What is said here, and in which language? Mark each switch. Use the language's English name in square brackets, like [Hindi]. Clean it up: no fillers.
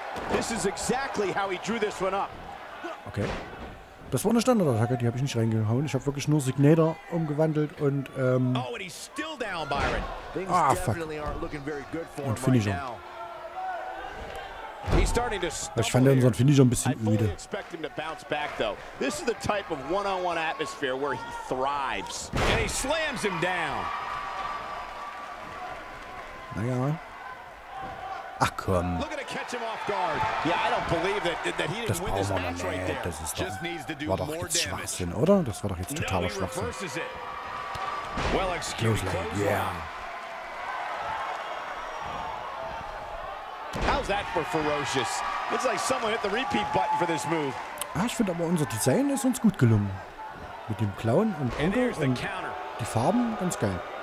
[English] This is exactly how he drew this one up. Okay. [German] Das war eine Standardattacke, die habe ich nicht reingehauen. Ich habe wirklich nur Signator umgewandelt und [English] Oh, and he's still down, Byron. Things definitely aren't looking very good for him right now. He's starting to stumble. [German] Ich fand unseren Finisher ein bisschen öde. [English] I fully expect him to bounce back though. This is the type of one-on-one atmosphere where he thrives. And he slams him down. [German] Naja. Ach komm. [English] Look at him catch him off guard. Yeah, I don't believe that he didn't win this match right there. [German] Das ist doch, war doch jetzt Schwachsinn, oder? Das war doch jetzt totaler Schwachsinn. [English] Well, excuse me. Yeah. How's that for ferocious? It's like someone hit the repeat button for this move. [German] Ah, ich finde aber unser Design ist uns gut gelungen. Mit dem Clown und Onkel und die Farben, ganz geil.